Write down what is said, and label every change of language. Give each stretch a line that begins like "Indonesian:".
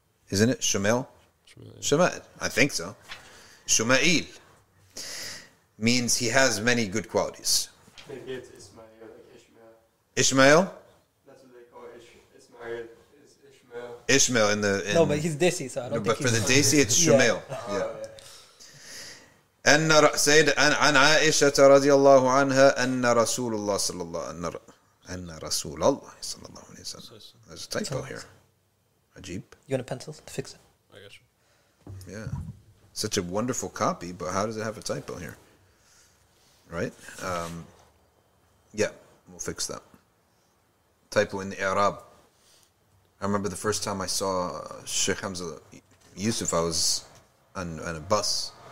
English: Isn't it Shumail? Shama'il. I think so. Shuma'il means he has many good qualities. Maybe it's Ismail, like Ishmael. Ismail? That's what they call Ishmael. It's Ishmael. Ishmael in... No, but he's Desi, so I don't think he's... But for the Desi, it's Shumail. Yeah.
Arabic: أن سيد عن عائشة رضي الله عنها أن رسول الله صلى الله أن رسول الله صلى الله عليه وسلم.
English: There's a typo here.
Arabic: عجيب.
English: You want a pencil to fix it? I got you. Yeah, such a wonderful copy, but how does it have a typo here? Right? Yeah, we'll fix that. Typo in the Arab. I remember the first time I saw Sheikh Hamza Yusuf, I was on a bus.